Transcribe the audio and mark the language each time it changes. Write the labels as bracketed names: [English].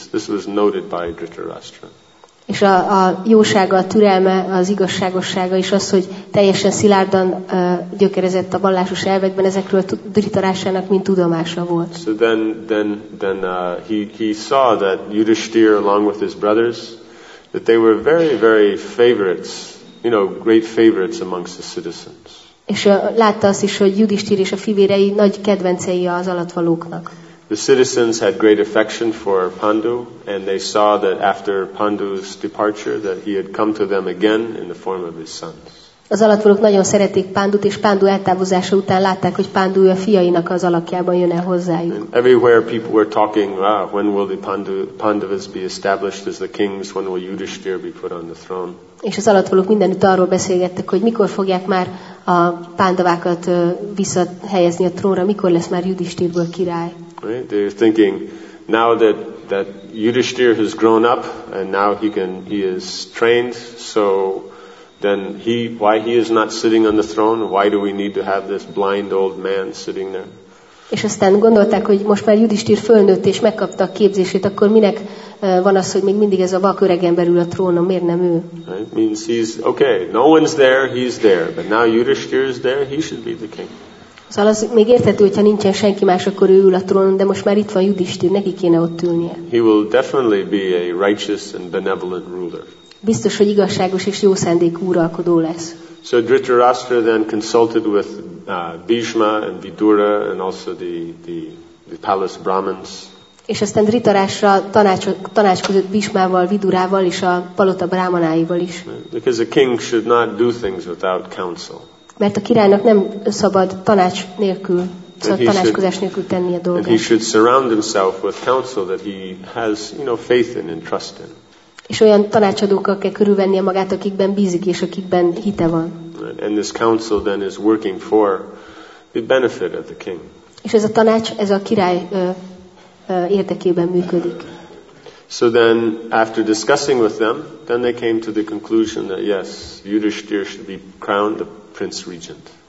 [English] This was noted by Dhritarashtra. [Hungarian] És a jósága, a türelme, az igazságossága is az, hogy teljesen szilárdan gyökerezett a vallásos elvekben, ezekről Dhritarashtrának mind tudomása volt. [English] So then he saw that Yudhishthir along with his brothers, that they were very, very favorites, great favorites amongst the citizens. [Hungarian] És látta azt is, hogy Yudhishthir és a fivérei nagy kedvencei az alattvalóknak. [English] The citizens had great affection for Pandu, and they saw that after Pandu's departure, that he had come to them again in the form of his sons. [Hungarian] Az alattvalók nagyon szeretik Pándut, és Pándu eltávozása után látták, hogy Pándu a fiainak az alakjában jön el hozzájuk. [English] And everywhere people were talking, when will the Pandavas be established as the kings? When will Yudhishthira be put on the throne? [Hungarian] És az alattvalók mindenütt arról beszélgettek, hogy mikor fogják már a Pándavákat visszahelyezni a trónra, mikor lesz már Yudhishthirből király. [English] Right? They're thinking, now that Yudhishthira has grown up, and now he is trained, so then why he is not sitting on the throne? Why do we need to have this blind old man sitting there? [Hungarian] És aztán gondolták, hogy most már Yudhishthira fölnőtt és megkapta a képzését, akkor minek van az, hogy még mindig ez a vak öreg ember ül a trónon, miért nem ő? [English] Right? Means he's okay. No one's there, he's there. But now Yudhishthira is there, he should be the king. [Hungarian] Szóval az még érthető, hogyha nincsen senki más, akkor ő ül a trónon, de most már itt van Yudhishthira, neki kéne ott ülnie. [English] He will definitely be a righteous and benevolent ruler. [Hungarian] Biztos, hogy igazságos és jó szándékú uralkodó lesz. [English] So Dhritarashtra then consulted with Bhishma and Vidura and also the palace Brahmins. [Hungarian] És aztán Dhritarashtra tanácskozott Bhishmával, Vidurával és a palota brámanáival is. [English] Because a king should not do things without counsel. [Hungarian] Mert a királynak nem szabad tanács nélkül, szóval tanácskozás nélkül tenni a dolgát. [English] And he should surround himself with counsel that he has, faith in and trust in. [Hungarian] És olyan tanácsadókkal kell körülvennie magát, akikben bízik és akikben hite van. [English] And this counsel then is working for the benefit of the king. [Hungarian] És ez a tanács, ez a király érdekében működik. [English] So then, after discussing with them, then they came to the conclusion that yes, Yudhishthira should be crowned the prince regent.